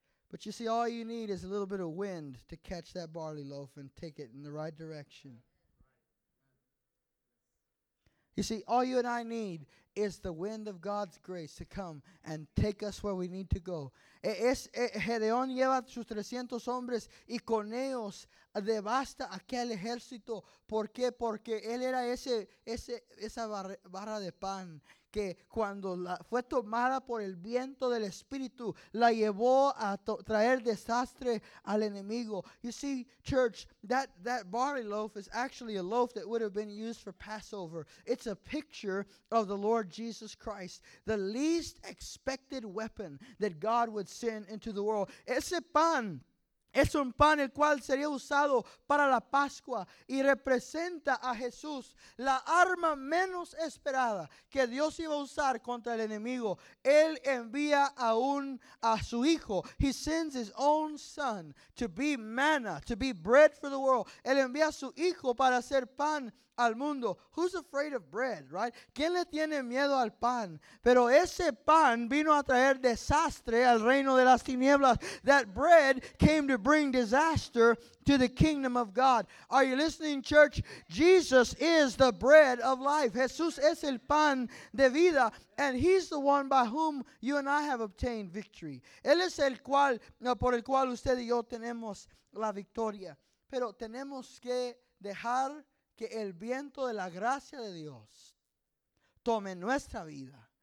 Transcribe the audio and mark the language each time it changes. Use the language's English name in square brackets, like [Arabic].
[English] But you see, all you need is a little bit of wind to catch that barley loaf and take it in the right direction. You see, all you and I need is the wind of God's grace to come and take us where we need to go. [Spanish] Gedeón lleva sus 300 hombres y con ellos devasta aquel ejército. ¿Por qué? Porque él era esa barra de pan que cuando fue tomada por el viento del Espíritu la llevó a traer desastre al enemigo. [English] You see, church, that barley loaf is actually a loaf that would have been used for Passover. It's a picture of the Lord Jesus Christ, the least expected weapon that God would send into the world. [Spanish] Ese pan es un pan el cual sería usado para la Pascua y representa a Jesús, la arma menos esperada que Dios iba a usar contra el enemigo. Él envía a su hijo. [English] He sends his own son to be manna, to be bread for the world. [Spanish] Él envía a su hijo para hacer pan al mundo. [English] Who's afraid of bread, right? [Spanish] ¿Quién le tiene miedo al pan? Pero ese pan vino a traer desastre al reino de las tinieblas. [English] That bread came to bring disaster to the kingdom of God. Are you listening, church? Jesus is the bread of life. [Spanish] Jesús es el pan de vida. [English] And he's the one by whom you and I have obtained victory. [Spanish] Él es el cual, por el cual usted y yo tenemos la victoria. Pero tenemos que dejar que el viento de la gracia de Dios tome nuestra vida.